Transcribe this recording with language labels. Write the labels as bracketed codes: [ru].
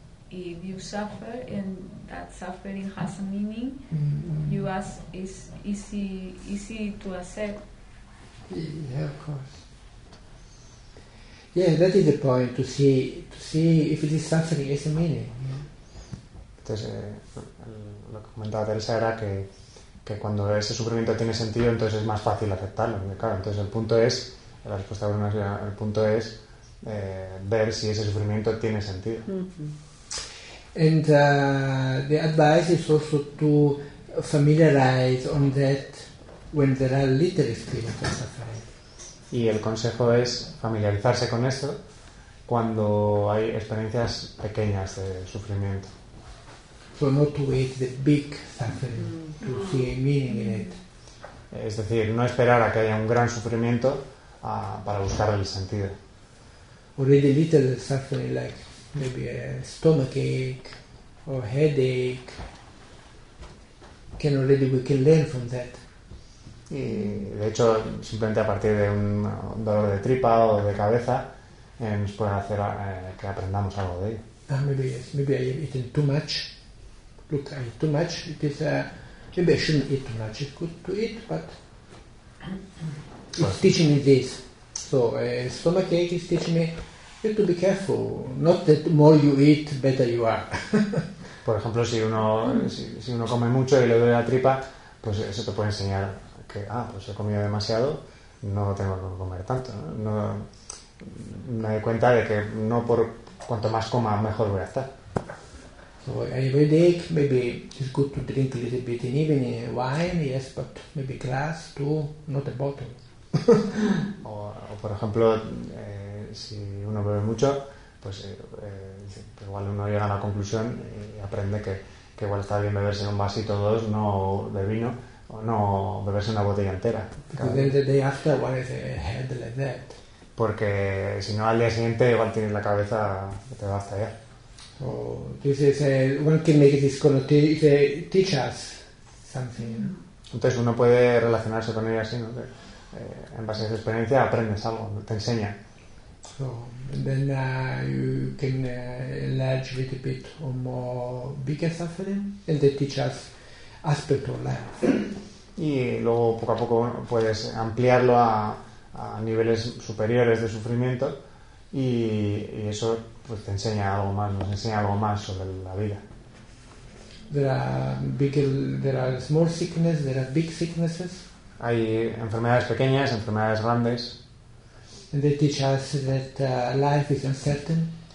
[en] If you suffer and that suffering has a meaning, you ask, is easy to accept? Yeah, of course. Yeah, that is the point, to see if this suffering has a meaning. [es] Entonces, lo que comentaba Teresa era que cuando ese sufrimiento tiene sentido, entonces es más fácil aceptarlo. Claro, entonces el punto es, la respuesta de Bruno es, el punto es ver si ese sufrimiento tiene sentido. Mm-hmm. [en] And the advice is also to familiarize on that when there are little experiences of suffering. [es] Y el consejo es familiarizarse con eso cuando hay experiencias pequeñas de sufrimiento. [en] So not to wait the big suffering to see a meaning in it. [es] Es decir, no esperar a que haya un gran sufrimiento para buscar el sentido. [en] Already little suffering like maybe a stomachache or headache we can learn from that. [es] Y de hecho, simplemente a partir de un dolor de tripa o de cabeza, nos pueden hacer que aprendamos algo de ello. [en] Maybe I have eaten too much. Look, I eat too much. It is maybe I shouldn't eat too much. It's good to eat, but it's teaching me this. So stomachache is teaching me you have to be careful. Not that the more you eat, better you are. [es] Por ejemplo, si uno come mucho y le duele la tripa, pues eso te puede enseñar que pues he comido demasiado, no tengo que comer tanto. No me doy cuenta de que no por cuanto más coma mejor voy a estar. [en] So I have a headache, maybe it's good to drink a little bit in evening wine, yes, but maybe glass too, not a bottle. [es] O por ejemplo, si uno bebe mucho, pues igual uno llega a la conclusión y aprende que igual está bien beberse un vasito o dos, no de vino, o no beberse una botella entera. [en] Then the day after, what is a head like that? [es] Porque si no, al día siguiente igual tienes la cabeza que te va hasta allá. [en] So this is one can make this connotation, teach us something. [es] Entonces uno puede relacionarse con ella así, ¿no? En base a esa experiencia aprendes algo, te enseña. [en] So then you can enlarge a little bit on more bigger suffering and they teach us aspect of life. [es] Y luego poco a poco puedes ampliarlo a niveles superiores de sufrimiento y eso pues te enseña algo más, nos enseña algo más sobre la vida. [en] There are small sickness, there are big sicknesses. [es] Hay enfermedades pequeñas, enfermedades grandes. [en] And they teach us that life is uncertain.